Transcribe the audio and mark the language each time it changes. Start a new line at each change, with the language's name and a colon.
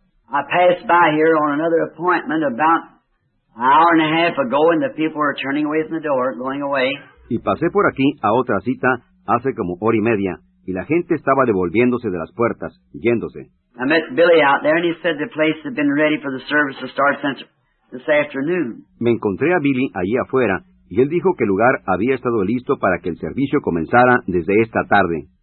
English: I passed by here on another appointment about an hour and a half ago, and the people were turning away from the door, going away.
Spanish: Y pasé por aquí a otra cita hace como hora y media, y la gente estaba devolviéndose de las puertas, yéndose.
English: I met Billy out there, and he said the place had been ready for the service to start since this afternoon.
Spanish: Me encontré a Billy allí afuera, y él dijo que el lugar había estado listo para que el servicio comenzara desde esta tarde.